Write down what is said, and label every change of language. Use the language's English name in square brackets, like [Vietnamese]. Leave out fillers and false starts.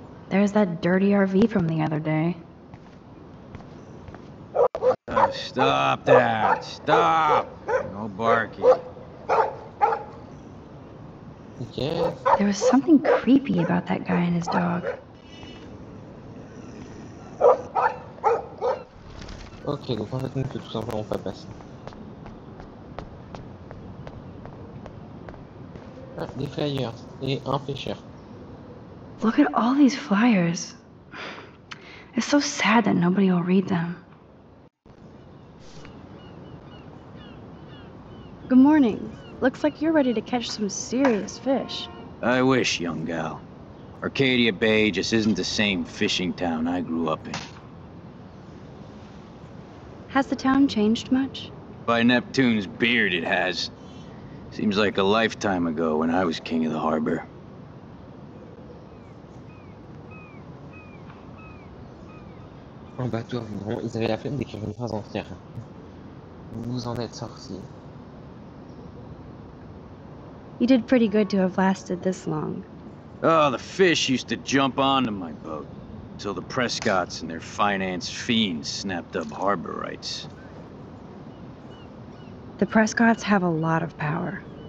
[English] There's that dirty RV from the other day. Stop that! Stop! No barking. Okay. There was something creepy about that guy and his dog. [French] Ok, donc en fait, on ne peut tout simplement pas passer. Ah, des flyers et un pêcheur. [English] Look at all these flyers. It's so sad that nobody will read them. Good morning. Looks like you're ready to catch some serious fish. I wish, young gal. Arcadia Bay just isn't the same fishing town I grew up in. Has the town changed much? By Neptune's beard, it has. Seems like a lifetime ago when I was king of the harbor. [French] Un bateau, vraiment, ils avaient la flemme d'écrire une phrase entière. Vous en êtes sortis. [English] You did pretty good to have lasted this long. Oh, the fish used to jump onto my boat. Until the Prescotts and their finance fiends snapped up harbor rights. The Prescotts have a lot of power.